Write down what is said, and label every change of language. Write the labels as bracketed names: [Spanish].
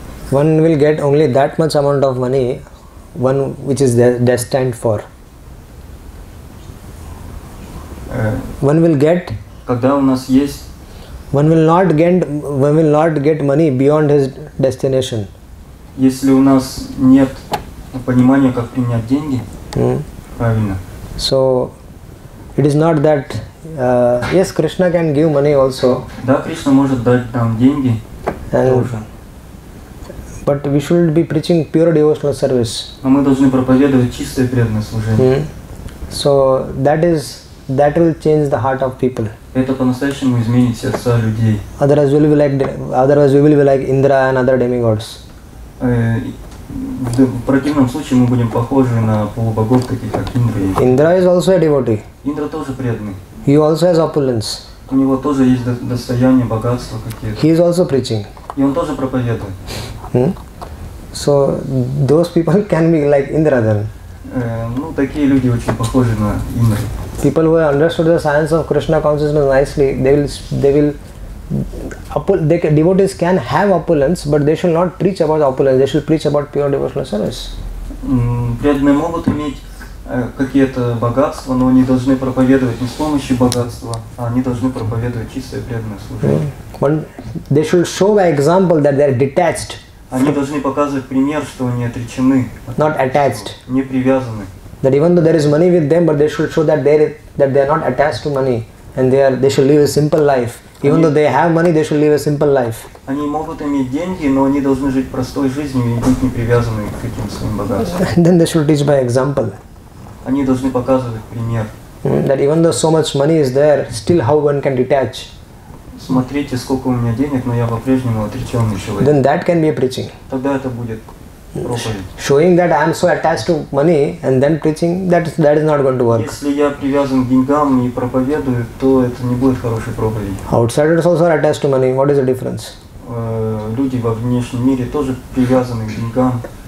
[English] One will get only that much amount of money, one which is destined for. One will not get money beyond his destination. [Russian] Если у нас нет понимания, как принять деньги. Правильно. [English] So, it is not that, yes, Krishna can give money also. [Russian] Да, Кришна может дать там деньги. [English] And, [Russian] тоже. [English] But we shouldn't be preaching pure devotional service. [Russian] Но мы должны проповедовать чистое преданное служение. [English] So that will change the heart of people. [Russian] Это по-настоящему изменит сердца людей. [English] Otherwise we will be like Indra and other demigods. [Russian] В противном случае мы будем похожи на полубогов таких как Индра. [English] Indra is also a devotee. [Russian] Индра тоже преданный. [English] He also has opulence. [Russian] У него тоже есть достояние, богатство какие-то. [English] He is also preaching. [Russian] И он тоже проповедует. [English] So those people can be like Indra then. [Russian] Ну такие люди очень похожи на Индру. [English] People who have understood the science of Krishna consciousness nicely, devotees can have opulence, but they should not preach about opulence. They should preach about pure devotional service. [Russian] Преданные могут иметь какие-то богатства, но они должны проповедовать не с помощью богатства, а они должны проповедовать чистое преданное служение. [English] They should show by example that they are detached. [Russian] Они должны показывать пример, что они отречены. [English] Not attached. [Russian] Не привязаны. [English] That even though there is money with them, but they should show that they are not attached to money, and they should live a simple life. Even though they have money, they should live a simple life. [Russian] Они могут иметь деньги, но они должны жить простой жизнью и быть не привязаны к этим своим богатствам. [English] Then they should teach by example. [Russian] Они должны показывать пример. [English] That even though so much money is there, still how one can detach. [Russian] Смотрите, сколько у меня денег, но я по-прежнему отречённый человек. [English] Then that can be a preaching. [Russian] Тогда это будет проповедь. [English] Showing that I am so attached to money and then preaching, that is not going to work. [Russian] Если я привязан к деньгам и проповедую, то это не будет хорошей проповедью. [English] Outsiders also are attached to money. What is the difference? [Russian] Люди во внешнем мире тоже привязаны к деньгам.